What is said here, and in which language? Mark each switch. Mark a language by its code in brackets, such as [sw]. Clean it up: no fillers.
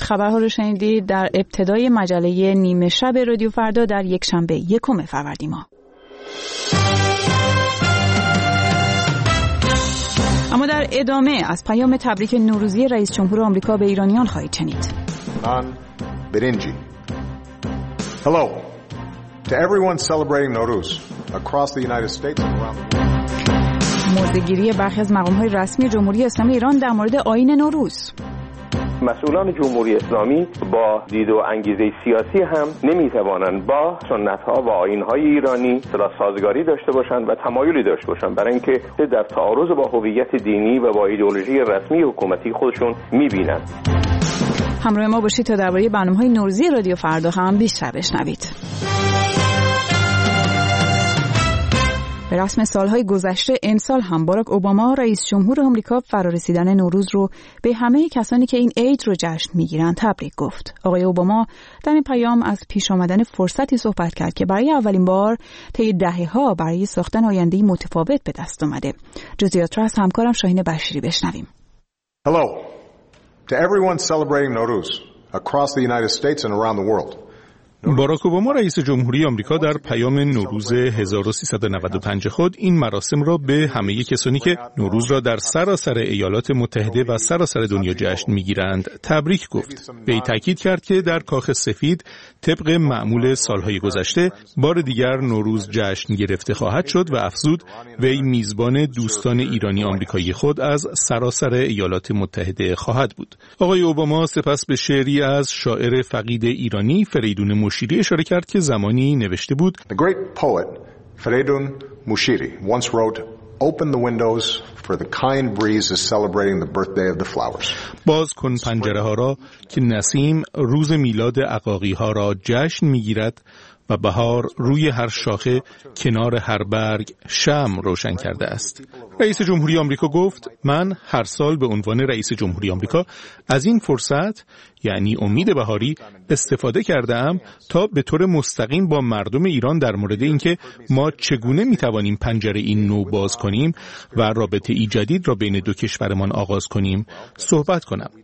[fa] خبرها رو شنیدید در ابتدای مجله نیمه شب رادیو فردا در یک شنبه 1 فروردین ماه. اما در ادامه از پیام تبریک نوروزی رئیس جمهور آمریکا به ایرانیان خواهید شنید. نان برنجی. [en] Hello to everyone celebrating Nowruz across the United States and around. [fa] مرده‌گیری برخی از مقام‌های رسمی جمهوری اسلامی ایران در مورد آیین نوروز. مسئولان جمهوری اسلامی با دید و انگیزه سیاسی هم نمیتوانند با سنت‌ها و آیین‌های ایرانی سلا سازگاری داشته باشند و تمایلی داشته باشند، برای اینکه در تعارض با هویت دینی و با ایدئولوژی رسمی حکومتی خودشون می‌بینند. همراه ما باشید تا درباره برنامه‌های نوروزی رادیو فردا هم بیشتر بشنوید. به رسم سالهای گذشته امسال هم باراک اوباما رئیس جمهور آمریکا فرارسیدن نوروز رو به همه کسانی که این عید رو جشن میگیرن تبریک گفت. آقای اوباما در این پیام از پیش آمدن فرصتی صحبت کرد که برای اولین بار طی دهه ها برای ساختن آینده متفاوت به دست اومده. جزئیات را از همکارم شاهین بشیری بشنویم. [en] Hello to everyone celebrating Nowruz across the United States and around the world. [fa] باراک اوباما رئیس جمهوری آمریکا در پیام نوروز 1395 خود این مراسم را به همه کسانی که نوروز را در سراسر ایالات متحده و سراسر دنیا جشن می‌گیرند تبریک گفت. وی تاکید کرد که در کاخ سفید طبق معمول سالهای گذشته بار دیگر نوروز جشن گرفته خواهد شد و افزود وی میزبان دوستان ایرانی آمریکایی خود از سراسر ایالات متحده خواهد بود. آقای اوباما سپس به شعری از شاعر فقید ایرانی فریدون مشیری اشاره کرد که زمانی نوشته بود: [en] The great poet Fereydoun Mushiri once wrote, "Open the windows for the kind breeze is celebrating the birthday of the flowers." [fa] باز کن پنجره ها را که نسیم روز میلاد عقاقی ها را جشن میگیرد و بهار روی هر شاخه کنار هر برگ شمع روشن کرده است. رئیس جمهوری آمریکا گفت: من هر سال به عنوان رئیس جمهوری آمریکا از این فرصت یعنی امید بهاری استفاده کردم تا به طور مستقیم با مردم ایران در مورد اینکه ما چگونه میتوانیم پنجره این نو باز کنیم و رابطه ای جدید را بین دو کشورمان آغاز کنیم صحبت کنم.